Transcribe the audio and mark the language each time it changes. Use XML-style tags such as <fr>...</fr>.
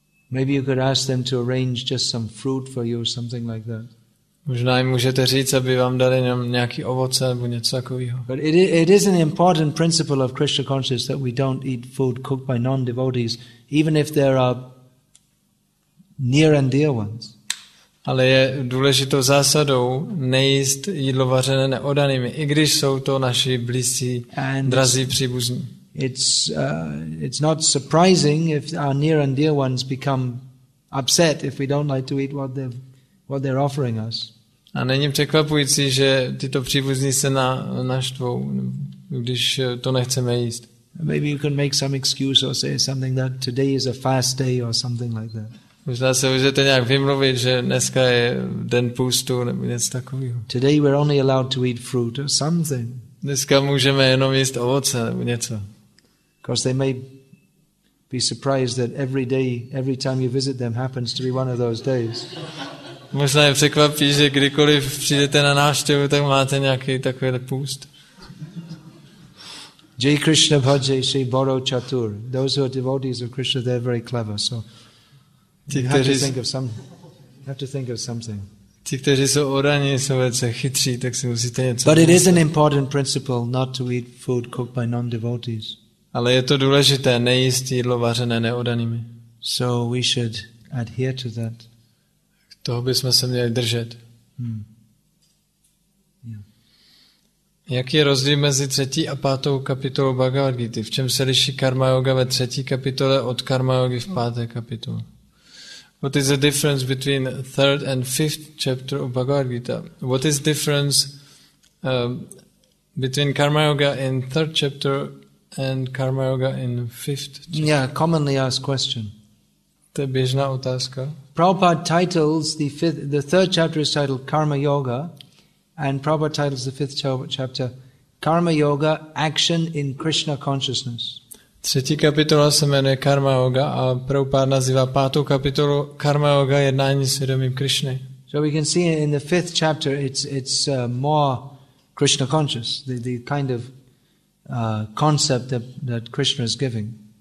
<en>Maybe you could ask them to arrange just some fruit for you, something like that.</en> <cs>Možná jim můžete říct, aby vám dali nějaký ovoce nebo něco takového.</cs> <en>But it is an important principle of Krishna consciousness that we don't eat food cooked by non-devotees, even if there are near and dear ones.</en> <cs>Ale je důležitou zásadou nejíst jídlo vařené neodanými, i když jsou to naši blízcí, drazí příbuzní.</cs> <en>It's not surprising if our near and dear ones become upset if we don't like to eat what they're offering us.</en> <cs>A není překvapující, že tyto příbuzní se naštvou, když to nechceme jíst.</cs> <en>Maybe you can make some excuse or say something that today is a fast day or something like that.</en> <cs>Možná se můžete nějak vymluvit, že dneska je den půstu nebo něco takového.</cs> <en>Today we're only allowed to eat fruit or something.</en> <cs>Dneska můžeme jenom jíst ovoce nebo něco.</cs> <en>Because they may be surprised that every day, every time you visit them, happens to be one of those days.</en> <cs>Možná je překvapí, že kdykoliv přijdete na návštěvu, tak máte nějaký takový půst.</cs> <bn>Jai Krishna Bhaje Shri Boro Chatur.</bn> <en>Those who are devotees of Krishna, they're very clever. So you have to think of something.</en> <cs>Ti, kteří jsou odaní, jsou velice chytří, tak si musíte něco.</cs> <en>But it is an important principle not to eat food cooked by non-devotees.</en> <cs>Ale je to důležité nejíst jídlo vařené neodanými.</cs> <en>So we should adhere to that.</en> <cs>Toho bychom se měli držet.</cs> <en>Yeah.</en> <cs>Jaký je rozdíl mezi třetí a pátou kapitolou Bhagavad Gita? V čem se liší karma yoga ve třetí kapitole od karma yogi v páté kapitole?</cs> <en>What is the difference between third and fifth chapter of Bhagavad Gita? What is the difference between karma yoga in third chapter and karma yoga in fifth chapter? Yeah, commonly asked question.</en> <cs>To je běžná otázka.</cs> <en>Prabhupada titles the third chapter is titled Karma Yoga, and Prabhupada titles the fifth chapter Karma Yoga, Action in Krishna Consciousness.</en> <cs>Třetí kapitola se jmenuje Karma Yoga a Prabhupada nazývá pátou kapitolu Karma Yoga jednání s vědomím Krišny.</cs> <en>So we can see in the fifth chapter it's more Krishna conscious, the kind of concept that Krishna is giving.</en>